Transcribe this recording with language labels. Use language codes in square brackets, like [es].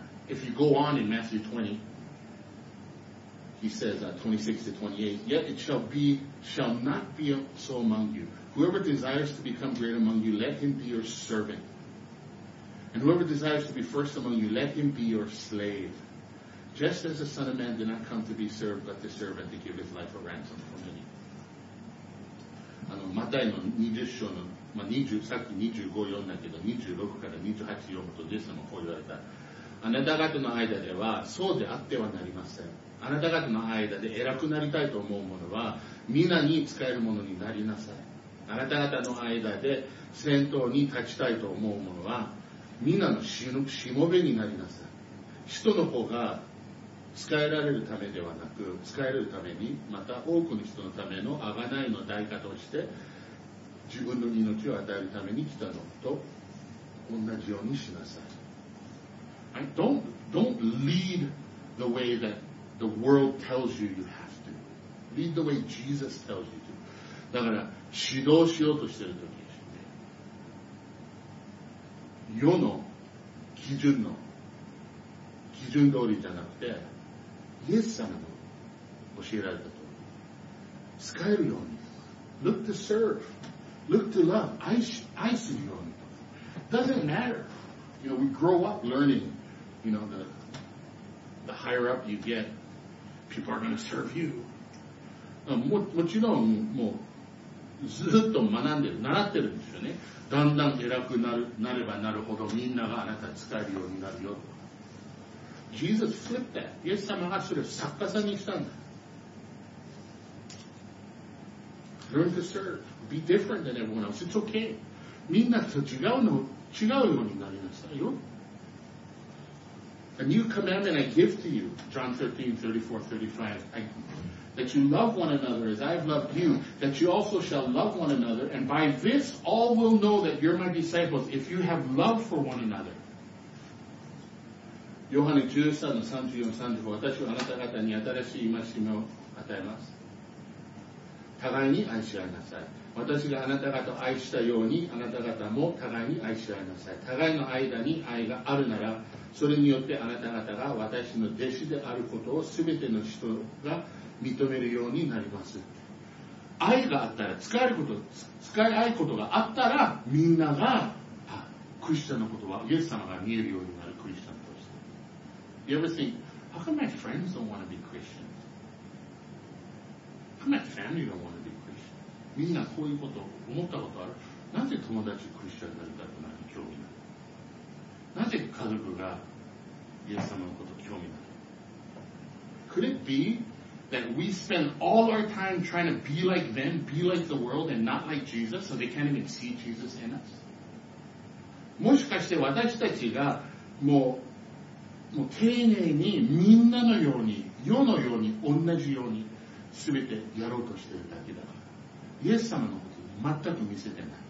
[en] If you go on in Matthew 20, he says 26 to 28, yet it shall not be so among you. Whoever desires to become great among you, let him be your servant. And whoever desires to be first among you, let him be your slave. Just as the Son of Man did not come to be served, but to serve and to give his life a ransom for many. [ja] マタイの20章の、まあ、さっき25読んだけど、26から28読むと、イエス様はこう言われた。あなた方の間では、そうであってはなりません。あなた方の間で偉くなりたいと思う者は、皆に仕えるものになりなさい。あなた方の間で先頭に立ちたいと思う者は、皆のしもべになりなさい。使徒の子が使えられるためではなく、使えるために、また多くの人のための贖いの代価として、自分の命を与えるために来たのと同じようにしなさい。 [en] Right? Don't lead the way that the world tells you you have to. Lead the way Jesus tells you to. [ja] だから、指導しようとしているとき、世の基準通りじゃなくて、イエス様の教えられたと。使えるように。 [en] Look to serve. Look to love. [ja] 愛するように。 [en] Doesn't matter. You know, we grow up learning. You know, the higher up you get, people are going to serve you. [ja] もちろん、もう、ずっと学んでる、習ってるんですよね。だんだん偉くなればなるほど、みんながあなたに使えるようになるよと。 [en] Jesus flipped that. [ja] イエス様がそれを逆さにしたんだ。 [en] Learn to serve. Be different than everyone else. It's okay. [ja] みんなと違うようになりなさいよ。 [en] A new commandment I give to you, John 13:34-35, that you love one another as I have loved you, that you also shall love one another, and by this all will know that you're my disciples, if you have love for one another. [ja] ヨハネ 13:34-35, 私はあなた方に新しい戒めを与えます。互いに愛し合いなさい。私があなた方を愛したように、あなた方も互いに愛し合いなさい。互いの間に愛があるなら、それによってあなた方が私の弟子であることを全ての人が認めるようになります。愛があったら、使い合うことがあったら、みんなが、クリスチャンのことは、イエス様が見えるようになるクリスチャンとして。 [en] You ever think, how come my friends don't want to be Christians? How come my family don't want to be Christians? [ja] みんなこういうこと、思ったことある？なぜ友達クリスチャンになりたくない？興味ない。なぜ家族がイエス様のこと興味ない？ [en] Could it be that we spend all our time trying to be like them, be like the world, and not like Jesus, so they can't even see Jesus in us? [ja] もしかして私たちがもう丁寧にみんなのように、世のように、同じように、すべてやろうとしているだけだから。イエス様のことを全く見せてない。